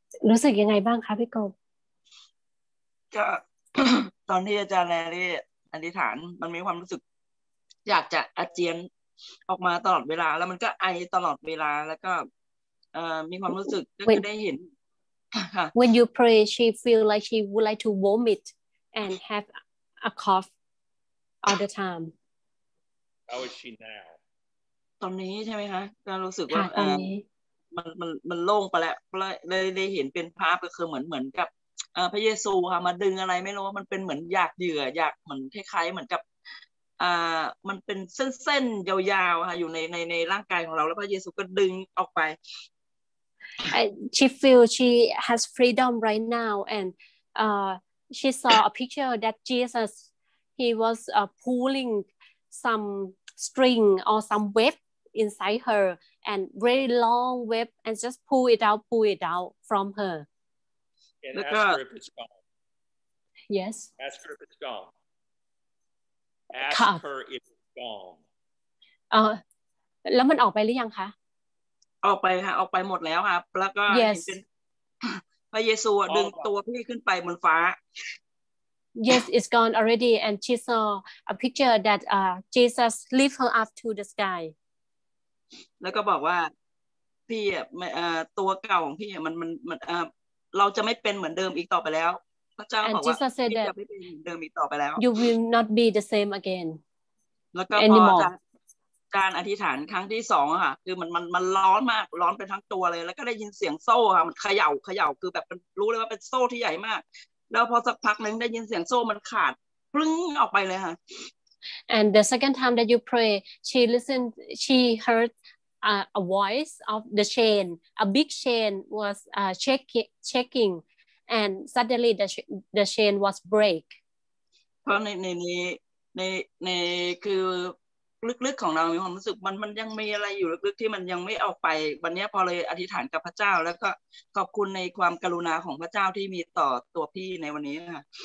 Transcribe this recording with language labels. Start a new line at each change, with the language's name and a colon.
Thai: รู้สึกยังไงบ้างคะพี่กบ ก็ตอนที่อาจารย์แลลี่อธิษฐานมันมีความรู้สึกอยากจะอาเจียนออกมาตลอดเวลาแล้วมันก็ไอตลอดเวลาแล้วก็มีความรู้สึกก็ได้เห็น
English: When you pray she feel like she would like to vomitAnd have a cough all the time. How is she now?
Thai: ตอนนี้ใช่ไหมคะการรู้สึกว่ามัน โล่งไปแล้วได้เห็นเป็นภาพก็คือเหมือนกับ พระเยซูค่ะมาดึงอะไรไม่รู้ว่ามันเป็นเหมือนอยากเหยื่ออยากเหมือนคล้ายๆเหมือนกับมันเป็นเส้นๆยาวๆค่ะอยู่ในร่างกายของเราแล้วพระเยซูก็ดึงออกไป
English: She feel she has freedom right now and she saw a picture that Jesus he was pulling some string or some web inside her and very long web and just pull it out from her and ask her if it's gone yes ask her if it's gone ask ค่ะ her if it's gone
Thai: แล้วมันออกไปหรือยังคะ ออกไปค่ะออกไปหมดแล้วครับแล้วก็
English: yes.
Thai: พระเยซูดึงตัวพี่ขึ้นไปบนฟ้า
English: yes it's gone already and she saw a picture that Jesus lift her up to the sky
Thai: แล้วก็บอกว่าพี่อ่ะตัวเก่าของพี่มันเราจะไม่เป็นเหมือนเดิมอีกต่อไปแล้วพระเจ้าบอกว่าพี่จะไม่เป็นเหมือนเดิมอีกต่อไปแล้ว
English: You will not be the same again
Thai: แล้วก็
English: anymore.
Thai: พอการอธิษฐานครั้งที่สองค่ะคือมันร้อนมากร้อนไปทั้งตัวเลยแล้วก็ได้ยินเสียงโซ่ค่ะมันเขย่าคือแบบรู้เลยว่าเป็นโซ่ที่ใหญ่มากแล้วพอสักพักนึงได้ยินเสียงโซ่มันขาดปลึ้งออกไปเลยค่ะ
English: And the second time that you pray, she listened, she heard a voice of the chain. A big chain was checking, and suddenly the chain was break. Because in
Thai: คือลึกๆของเรามีความรู้สึกมันยังมีอะไรอยู่ลึกๆที่มันยังไม่ออกไปวันนี้พอเลยอธิษฐานกับพระเจ้าแล้วก็ขอบคุณในความกรุณาของพระเจ้าที่มีต่อตัวพี่ในวันนี้ค่ะ